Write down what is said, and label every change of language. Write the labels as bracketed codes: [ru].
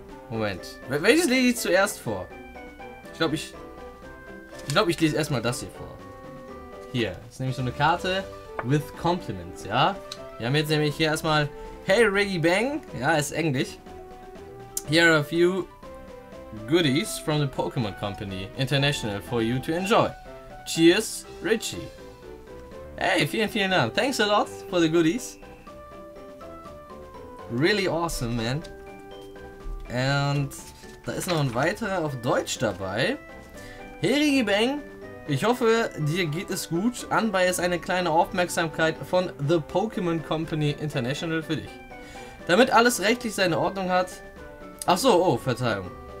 [de] Moment. Welches lese ich zuerst vor? Ich glaube, ich lese erstmal das hier vor. Hier, das ist nämlich so eine Karte. [en] With compliments, [de] ja. Wir haben jetzt nämlich hier erstmal Hey Reggie Bang, ja, ist Englisch. [en] Here are a few goodies from the Pokémon Company International for you to enjoy. Cheers, [de] Richie. Hey, vielen, vielen Dank. [en] Thanks a lot for the goodies. Really awesome, man. [de] And da ist noch ein weiterer auf Deutsch dabei. Herigi Bang, ich hoffe, dir geht es gut. Anbei ist eine kleine Aufmerksamkeit von The Pokémon Company International für dich. Damit alles rechtlich seine Ordnung hat. Ach so, oh, Verzeihung.